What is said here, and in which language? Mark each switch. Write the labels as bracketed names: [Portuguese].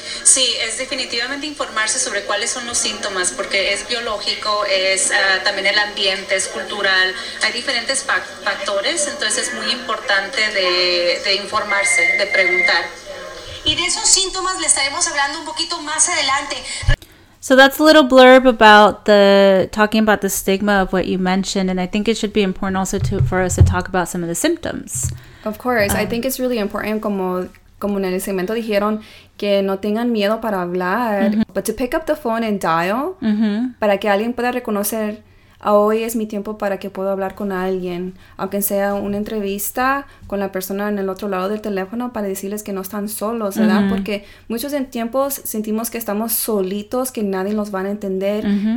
[Spanish] Sí, es definitivamente informarse sobre cuáles son los síntomas porque es biológico, es también el ambiente, es cultural. Hay diferentes factores, entonces es muy importante de informarse, de preguntar. Y de esos síntomas le estaremos hablando un poquito más adelante. [English] So that's a little blurb about talking about the stigma of what you mentioned. And I think it should be important also for us to talk about some of the symptoms. Of course. I think it's really important, [Spanish] como en el segmento dijeron, que no tengan miedo para hablar. Mm-hmm. [English] But to pick up the phone and dial, mm-hmm. [Spanish] para que alguien pueda reconocer, hoy es mi tiempo para que pueda hablar con alguien, aunque sea una entrevista con la persona en el otro lado del teléfono para decirles que no están solos, ¿verdad? Mm-hmm. Porque muchos en tiempos sentimos que estamos solitos, que nadie nos va a entender, mm-hmm.